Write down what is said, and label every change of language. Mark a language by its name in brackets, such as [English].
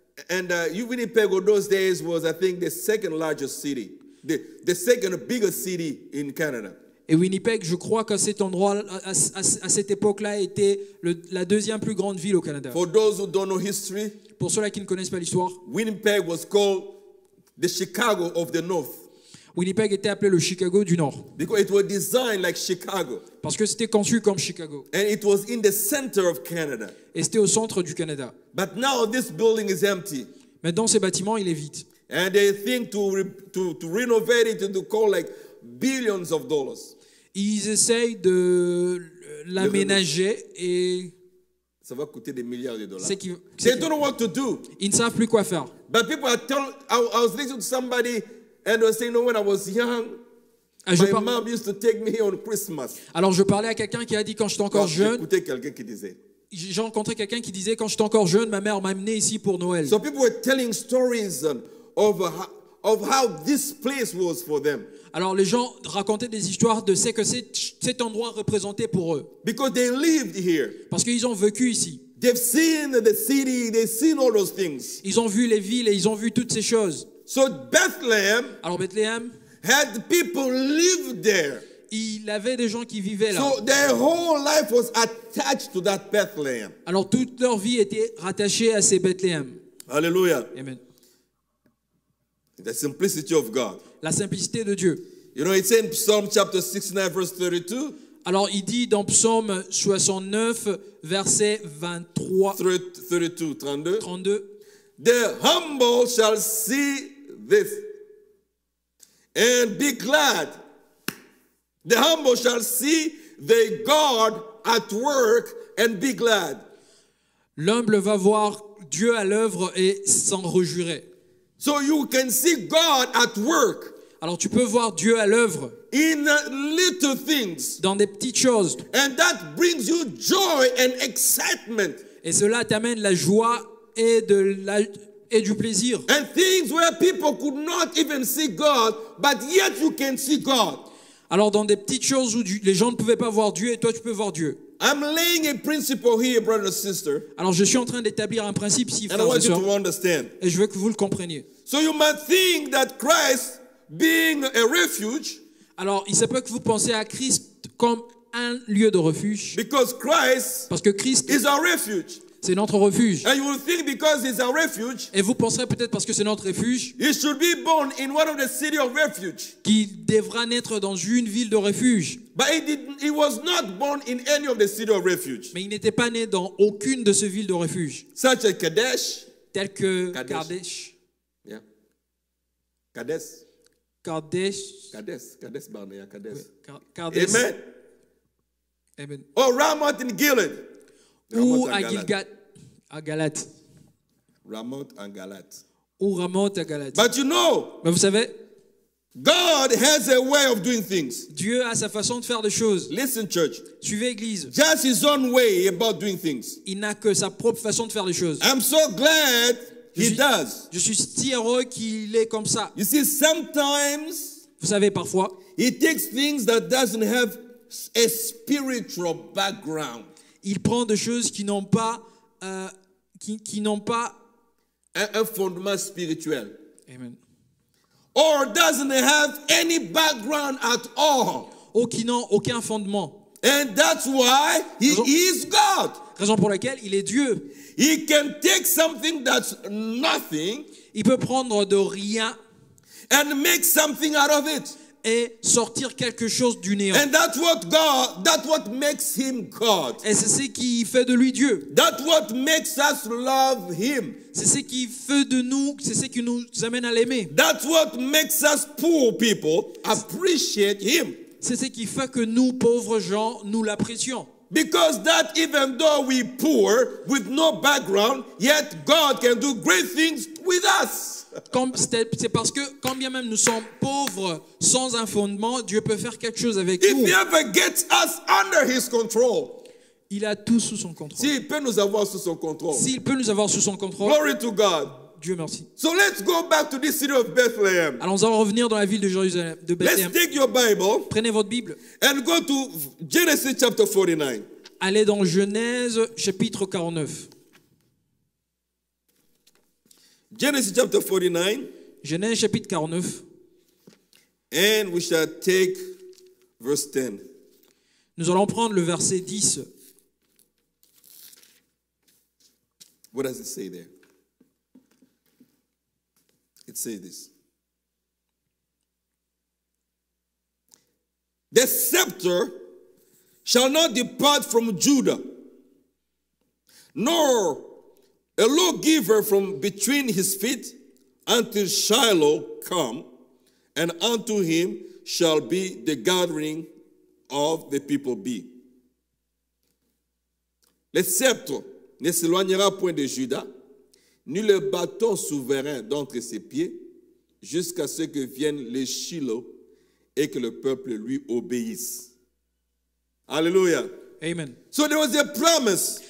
[English] And Winnipeg, in those days, was I think the second largest city, the second biggest city in Canada. [French] Et Winnipeg, je crois qu'à cet endroit, à cette époque-là, était la deuxième plus grande ville au Canada. [English] For those who don't know history, [French] pour ceux-là qui ne connaissent pas l'histoire, [English] Winnipeg was called the Chicago of the North. [French] Winnipeg était appelé le Chicago du Nord. [English] Because it was designed like Chicago. [French] Parce que c'était conçu comme Chicago. [English] And it was in the center of Canada. [French] Et c'était au centre du Canada. [English] But now this building is empty. [French] Maintenant, ce bâtiment, il est vide. [English] And they think to renovate it and to call like billions of dollars. [French] Ils essayent de l'aménager et ça va coûter des milliards de dollars. [English] They don't know what to do. [French] Ils ne savent plus quoi faire. [English] But people are telling, I was listening to somebody and they were saying, you know, when I was young, mom used to take me on Christmas. [French] Alors je parlais à quelqu'un qui a dit quand j'étais encore jeune. J'ai écouté quelqu'un qui disait. J'ai rencontré quelqu'un qui disait quand j'étais encore jeune, ma mère m'a amené ici pour Noël. [English] So people were telling stories of how this place was for them. [French] Alors les gens racontaient des histoires de ce que cet endroit représentait pour eux. [English] Because they lived here. [French] Parce qu'ils ont vécu ici. [English] They've seen the city, they've seen all those things. [French] Ils ont vu les villes et ils ont vu toutes ces choses. [English] So Bethlehem. [French] Alors Bethléem. [English] Had people live there. [French] Il avait des gens qui vivaient là. [English] So their whole life was attached to that Bethlehem. [French] Alors toute leur vie était rattachée à ces Bethléem. Alléluia. Amen. [English] The simplicity of God. [French] La simplicité de Dieu. [English] You know, it's in Psalm chapter 69, verse 32. [French] Alors il dit dans Psaume 69, verset 23. 32. [English] The humble shall see this and be glad. The humble shall see their God at work and be glad. [French] L'humble va voir Dieu à l'œuvre et s'en réjouir. [English] So you can see God at work. [French] Alors tu peux voir Dieu à l'œuvre. [English] In little things. [French] Dans des petites choses. [English] And that brings you joy and excitement. [French] Et cela t'amène la joie et de la et du plaisir. [English] And things where people could not even see God, but yet you can see God. [French] Alors dans des petites choses où les gens ne pouvaient pas voir Dieu et toi tu peux voir Dieu. [English] I'm laying a principle here, brother and sister. [French] Alors je suis en train d'établir un principe ici, frères et sœurs. [English] And I want you to understand. [French] Et je veux que vous le compreniez. [English] So you might think that Christ being a refuge. [French] Alors il se peut que vous pensez à Christ comme un lieu de refuge. [English] Because Christ. [French] Parce que Christ [English] is our refuge. [French] C'est notre refuge. [English] And you will think because it's our refuge. [French] Et vous penserez peut-être parce que c'est notre refuge. [English] It should be born in one of the city of refuge. [French] Qu'il devra naître dans une ville de refuge. [English] But it was not born in any of the city of refuge. [French] Mais il n'était pas né dans aucune de ces villes de refuge. [English] Such as Kadesh. [French] Tel que Kadesh. [English] Yeah. Kadesh. Kadesh. Kadesh. Kadesh Barnea. Kadesh. Kadesh. Amen. Amen. Or Ramoth in Gilead. [French] Ou à Gilgat, à Galat. Ramoth en Galat. Ou Ramoth à Galat. [English] But you know, [French] mais vous savez, [English] God has a way of doing things. [French] Dieu a sa façon de faire les choses. [English] Listen, church. [French] Suivez l'église. [English] Just his own way about doing things. [French] Il n'a que sa propre façon de faire les choses. [English] I'm so glad he does. [French] Je suis si heureux qu'il est comme ça. [English] You see, sometimes, [French] vous savez, parfois, [English] he takes things that doesn't have a spiritual background. [French] Il prend des choses qui n'ont pas, qui n'ont pas un fondement spirituel. Amen. [English] Or doesn't have any background at all. [French] Ou qui n'ont aucun fondement. [English] And that's why he is God. [French] Raison pour laquelle il est Dieu. [English] He can take something that's nothing. [French] Il peut prendre de rien. [English] And make something out of it. [French] Et sortir quelque chose du néant. [English] And that's what God, that's what makes him God. [French] Et c'est ce qui fait de lui Dieu. [English] That's what makes us love him. [French] C'est ce qui fait de nous, c'est ce qui nous amène à l'aimer. [English] That's what makes us poor people appreciate him. [French] C'est ce qui fait que nous pauvres gens nous l'apprécions. [English] Because that even though we poor with no background, yet God can do great things with us. [French] C'est parce que quand bien même nous sommes pauvres sans un fondement, Dieu peut faire quelque chose avec nous. [English] He never gets us under his control. [French] Il a tout sous son contrôle. S'il peut nous avoir sous son contrôle. S'il peut nous avoir sous son contrôle. [English] Glory to God. [French] Dieu merci. [English] So let's go back to the city of Bethlehem. [French] Allons en revenir dans la ville de Jérusalem, de Bethléem. [English] Let's take your Bible. [French] Prenez votre Bible. [English] And go to Genesis chapter 49. [French] Allez dans Genèse chapitre 49. [English] Genesis chapter 49. [French] Genèse chapitre 49. [English] And we shall take verse 10. [French] Nous allons prendre le verset 10. [English] What does it say there? It says this. The scepter shall not depart from Judah, nor a lawgiver from between his feet, until Shiloh come, and unto him shall be the gathering of the people be. [French] Le sceptre ne s'éloignera point de Judas, ni le bâton souverain d'entre ses pieds, jusqu'à ce que vienne le Shiloh et que le peuple lui obéisse. Alléluia. Amen. [English] So there was a promise.